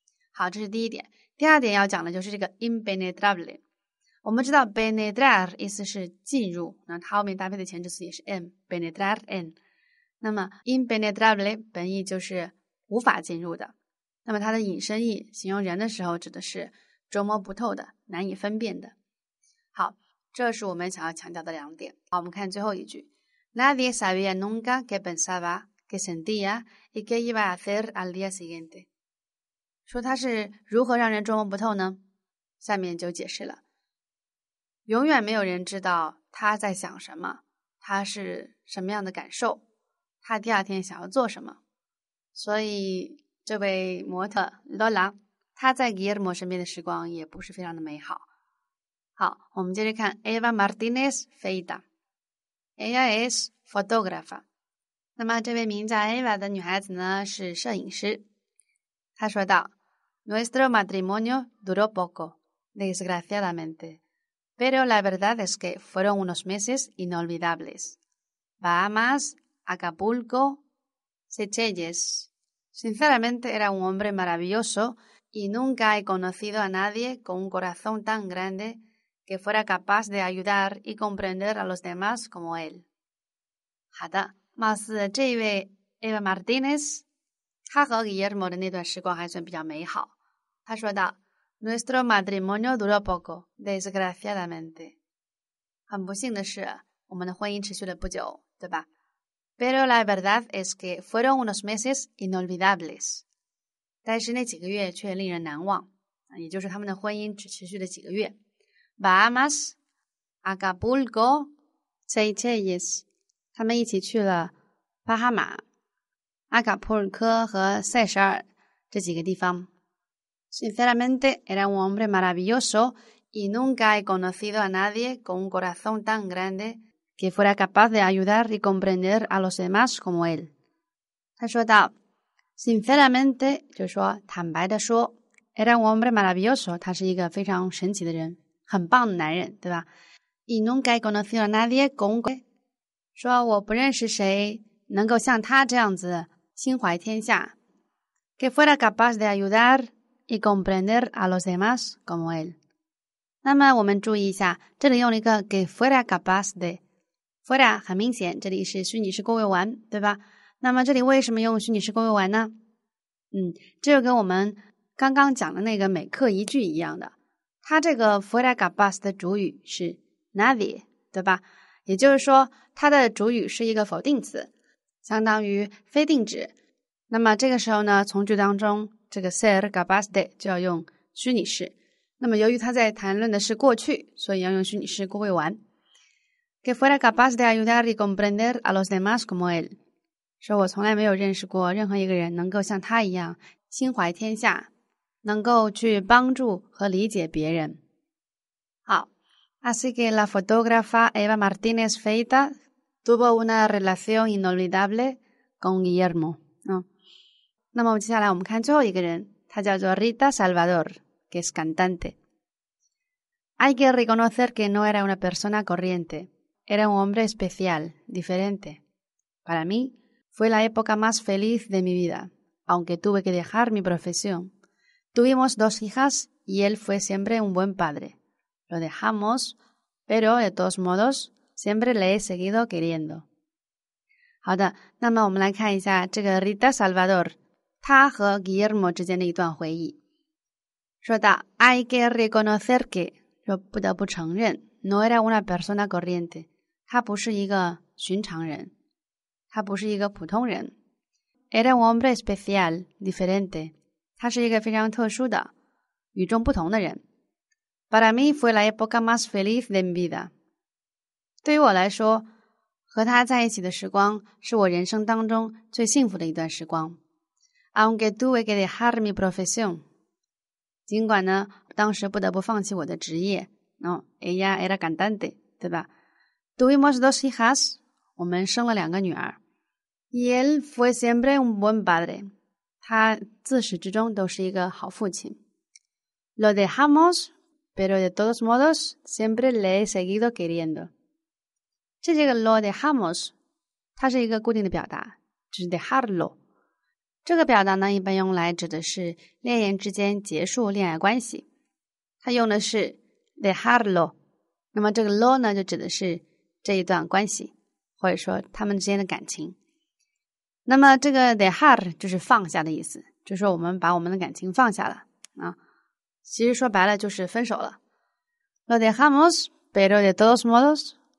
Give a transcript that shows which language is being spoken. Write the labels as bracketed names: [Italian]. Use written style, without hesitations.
[Chinese] 好这是第一点第二点要讲的就是这个 impenetrable 我们知道 penetrar 意思是进入那它后面搭配的前置词也是 en [Spanish] penetrar en [Chinese] 那么 impenetrable 本意就是无法进入的那么它的引申意形容人的时候指的是捉摸不透的难以分辨的好这是我们想要强调的两点好我们看最后一句 [Spanish] Nadie sabía nunca qué pensaba qué sentía y qué iba a hacer al día siguiente [Chinese] 说他是如何让人捉摸不透呢？下面就解释了。永远没有人知道他在想什么，他是什么样的感受，他第二天想要做什么。所以这位模特 Lola 他在 Guillermo 身边的时光也不是非常的美好。好，我们接着看 Eva Martinez Feida， [Spanish] ella es fotógrafa。 [Chinese] 那么这位名叫 Eva 的女孩子呢，是摄影师。他说道 [Spanish] Nuestro matrimonio duró poco, desgraciadamente, pero la verdad es que fueron unos meses inolvidables. Bahamas, Acapulco, Seychelles. Sinceramente era un hombre maravilloso y nunca he conocido a nadie con un corazón tan grande que fuera capaz de ayudar y comprender a los demás como él. [Chinese] 好的，貌似这位 Eva Martínez他和 Guillermo 的那段时光还算比较美好。他说道 [Spanish] ：“Nuestro matrimonio duró poco, desgraciadamente。 [Chinese] 很不幸的是，我们的婚姻持续了不久，对吧 [Spanish] ？”Pero la verdad es que fueron unos meses inolvidables。 [Chinese] 但是那几个月却令人难忘，也就是他们的婚姻只持续了几个月。Bahamas， [Spanish] Acapulco, Seychelles. [Chinese] 他们一起去了巴哈马、阿卡普尔科和塞舌尔这几个地方。 [Spanish] Sinceramente, era un hombre maravilloso y nunca he conocido a nadie con un corazón tan grande que fuera capaz de ayudar y comprender a los demás como él. [Chinese] 他说道 [Spanish] ,Sinceramente, [Chinese] 就说坦白地说 [Spanish] ,era un hombre maravilloso, [Chinese] 他是一个非常神奇的人很棒的男人对吧 [Spanish] ?Y nunca he conocido a nadie con un [Chinese] 说我不认识谁能够像他这样子心怀天下 [Spanish] ,que fuera capaz de ayudar,y comprender a los demás como él. [Chinese] 那么我们注意一下，这里用了一个 que fuera capaz de. fuera 很明显，这里是虚拟式过未完，对吧？那么这里为什么用虚拟式过未完呢？这就跟我们刚刚讲的那个美课一句一样的。它这个 fuera capaz 的主语是 nadie, 对吧？也就是说，它的主语是一个否定词，相当于非定止。那么这个时候呢，从句当中这个 ser capaz de 就要用虚拟式。那么由于他在谈论的是过去，所以要用虚拟式过未完。 [Spanish] Que fuera capaz de ayudar y comprender a los demás como él. [Chinese] 说我从来没有认识过任何一个人能够像他一样心怀天下，能够去帮助和理解别人。好 [Spanish] ，Así que la fotógrafa Eva Martínez Feita tuvo una relación inolvidable con Guillermo. [Chinese] 那么接下来我们看最后一个人，他叫做 Rita Salvador, [Spanish] que es cantante. Hay que reconocer que no era una persona corriente, era un hombre especial, diferente. Para mí, fue la época más feliz de mi vida, aunque tuve que dejar mi profesión. Tuvimos dos hijas y él fue siempre un buen padre. Lo dejamos, pero de todos modos, siempre le he seguido queriendo. [Chinese] 好的，那么我们来看一下这个 Rita Salvador. 他和 Guillermo 之间的一段回忆，说到 [Spanish] Hay que reconocer que [Chinese] 说不得不承认 [Spanish] No era una persona corriente [Chinese] 他不是一个寻常人，他不是一个普通人。 [Spanish] Era un hombre especial, diferente [Chinese] 他是一个非常特殊的与众不同的人。 [Spanish] Para mí fue la época más feliz de mi vida [Chinese] 对于我来说，和他在一起的时光是我人生当中最幸福的一段时光。 [Spanish] Aunque tuve que dejar mi profesión. [Chinese] 尽管呢，当时不得不放弃我的职业。 [Spanish] Ella era cantante, [Chinese] 对吧 ? [Spanish] Tuvimos dos hijas, [Chinese] 我们生了两个女儿。 [Spanish] Y él fue siempre un buen padre. [Chinese] 他自始至终都是一个好父亲。 [Spanish] Lo dejamos, pero de todos modos, siempre le he seguido queriendo. [Chinese] 这个 lo dejamos, 它是一个固定的表达，就是 dejarlo。这个表达呢，一般用来指的是恋人之间结束恋爱关系。它用的是 dejarlo， 那么这个 lo 呢，就指的是这一段关系，或者说他们之间的感情。那么这个 dejar 就是放下的意思，就是说我们把我们的感情放下了啊。其实说白了就是分手了。 [Spanish] Lo dejamos, pero de todos modos，